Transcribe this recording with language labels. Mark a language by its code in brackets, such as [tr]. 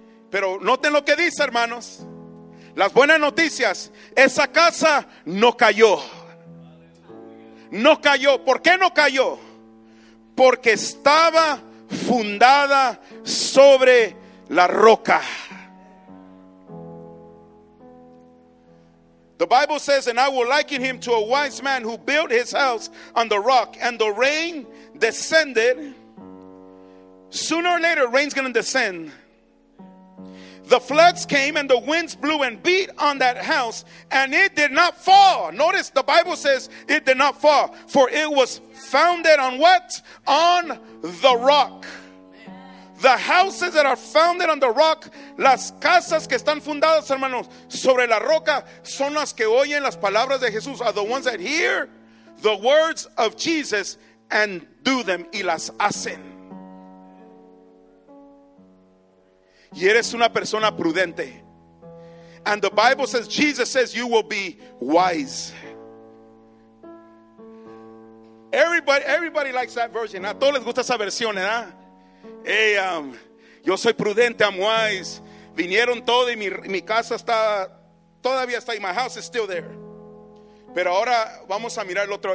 [es] Pero noten lo que dice, hermanos. Las buenas noticias, esa casa no cayó. No cayó. ¿Por qué no cayó? Porque estaba fundada sobre la roca. [en] The Bible says, and I will liken him to a wise man who built his house on the rock, and the rain descended. Sooner or later, rain's going to descend. The floods came and the winds blew and beat on that house, and it did not fall. Notice the Bible says it did not fall, for it was founded on what? On the rock. The houses that are founded on the rock, [es] las casas que están fundadas, hermanos, sobre la roca, [en] son las que oyen las palabras de Jesús, are the ones that hear the words of Jesus and do them, [es] y las hacen. Y eres una persona prudente. [en] And the Bible says, Jesus says, you will be wise. Everybody likes that version. [es] A todos les gusta esa versión, ¿verdad? Hey, yo soy prudente, [en] I'm wise. [es] Vinieron todo y mi casa está, todavía está ahí. [en] My house is still there. [es] Pero ahora vamos a mirar el otro.